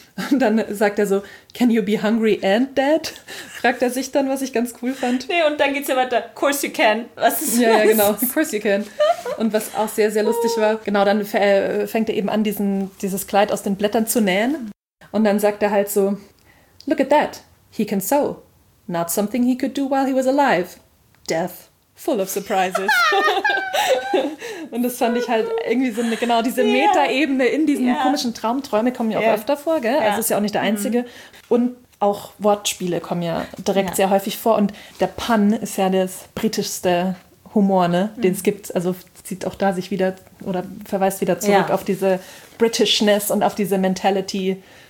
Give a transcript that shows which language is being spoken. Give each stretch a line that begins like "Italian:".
German: Und dann sagt er so,
English: can you be hungry and dead?
German: Fragt er sich dann, was ich ganz cool fand. Nee, und dann geht's ja weiter, of course you can. Was ist ja, was? Ja, genau,
English: of course you can.
German: Und was auch sehr, sehr lustig war, genau, dann fängt er eben an, dieses Kleid aus den Blättern zu nähen. Und dann sagt er halt so,
English: look at that, he can sew. Not something he could do while he was alive. Death, full of surprises.
German: Und das fand ich halt irgendwie so eine, genau, diese yeah. Metaebene in diesen yeah. komischen Traumträume kommen ja auch yeah. öfter vor, gell? Yeah. Also ist ja auch nicht der einzige. Mm-hmm. Und auch Wortspiele kommen ja direkt yeah. sehr häufig vor. Und der Pun ist ja das britischste Humor, ne? Mm-hmm. Den es gibt. Also zieht auch da sich wieder oder verweist wieder zurück yeah. auf diese Britishness und auf diese Mentality.